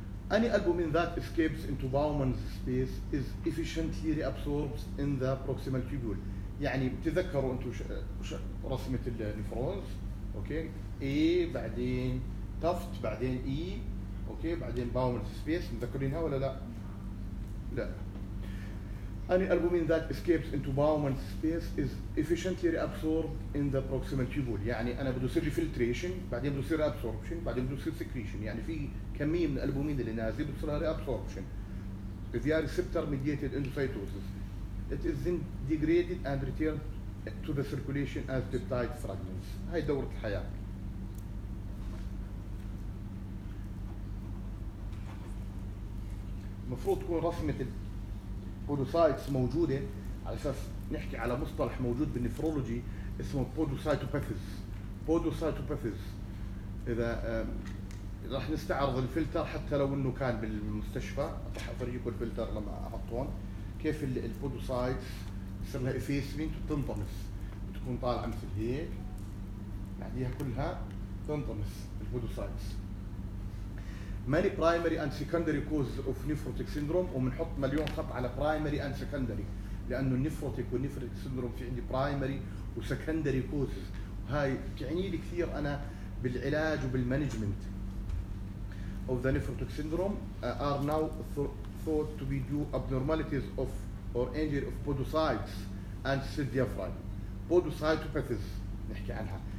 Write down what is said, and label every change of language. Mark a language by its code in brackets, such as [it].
[en] Any albumin that escapes into Bowman's space is efficiently reabsorbed in the proximal tubule. [ar] يعني بتذكروا انتم رسمة النفرونز، اوكي، اي بعدين تفت بعدين اي، اوكي، بعدين باومنز سبيس، متذكرينها ولا لا؟ لا. [en] Any albumin that escapes into Bowman's space is efficiently reabsorbed in the proximal tubule. [ar] يعني أنا بدو يصير filtration، بعدين بدو يصير absorption، بعدين بدو يصير secretion. يعني في كمية من الألبومين اللي نازل بدو يصير reabsorption. [en] They are receptor-mediated endocytosis. It is then degraded and returned to the circulation as peptide fragments. [ar] هاي دورة الحياة. مفروض تكون رسمة بودوسايتس موجودة على أساس نحكي على مصطلح موجود بالنفرولوجي اسمه بودوسايتوباثيز. بودوسايتوباثيز إذا راح نستعرض الفلتر حتى لو إنه كان بالمستشفى راح أفرجيكم الفلتر لما أحطون كيف البودوسايتس يصير لها إفيسمنت وتنطمس بتكون طالعة مثل هيك بعديها كلها تنطمس البودوسايتس. [en] Many primary and secondary causes of nephrotic syndrome. [ar] ومنحط مليون خط على primary and secondary لأنه النيفروتيك والنيفروتيك syndrome في عندي primary و secondary causes. هاي تعني لي كثير أنا بالعلاج وبالمانجمنت [en] of the nephrotic syndrome are now thought to be due abnormalities of or injury of podocytes and cell diaphragm. [ar] Podocytopathies نحكي عنها.